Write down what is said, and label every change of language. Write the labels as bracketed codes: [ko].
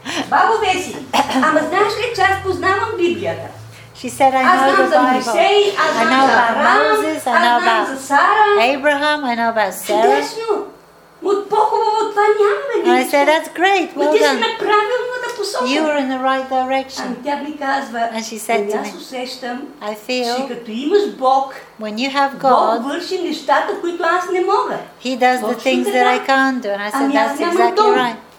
[bg] Бабо Веси, ама знаеш ли, че аз познавам Библията? [en] She said, I know the Bible. I know about Moses, I know about Abraham, I know about Sarah. [bg] Чудесно! От по-хубаво това нямаме нищо. [en] And I said, that's great, well done. [bg] Ти си на правилно да посока. [en] You are in the right direction. [bg] Тя ми казва, [en] and she said to me, [bg] усещам, [en] I feel, [bg] че като имаш Бог, [en] when you have God, [bg] Бог върши нещата, които аз не мога. [en] He does the things that I can't do. And I said, that's exactly right.